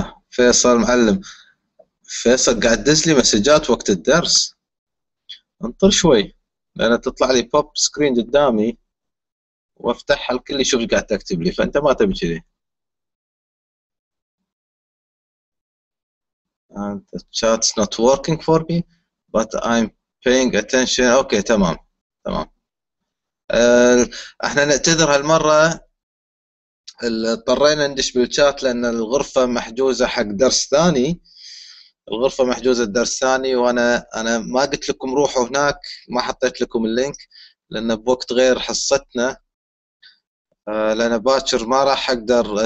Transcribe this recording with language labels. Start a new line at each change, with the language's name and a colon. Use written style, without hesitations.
Arabic: فيصل معلم، فيصل قاعد دز لي مسجات وقت الدرس، انطر شوي لان تطلع لي بوب سكرين قدامي وافتحها الكل يشوف ايش قاعد تكتب لي، فانت ما تبي كذي.
English: And the chat's not working for me, but I'm paying attention.
Arabic: Okay, تمام. احنا نعتذر هالمرة اضطرينا ندش بالشات لأن الغرفة محجوزة حق درس ثاني، الغرفة محجوزة الدرس الثاني، وأنا ما قلت لكم روحوا هناك، ما حطيت لكم اللينك لأنه بوقت غير حصتنا، لأن باكر ما راح أقدر.